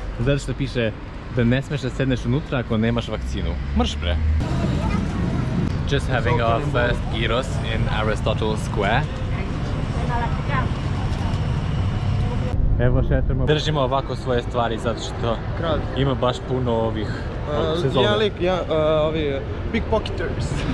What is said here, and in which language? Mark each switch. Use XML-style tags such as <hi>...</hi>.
<sr>Zato što piše da ne smeš da sedneš unutra ako nemaš vakcinu. Mrš pre.</sr> <en>Just having our first gyros in Aristotle Square.</en> <sr>Evo šetamo. Držimo ovako svoje stvari zato što ima baš puno ovih sezona. Ja lik, ovi</sr> <en>big pocketers.</en>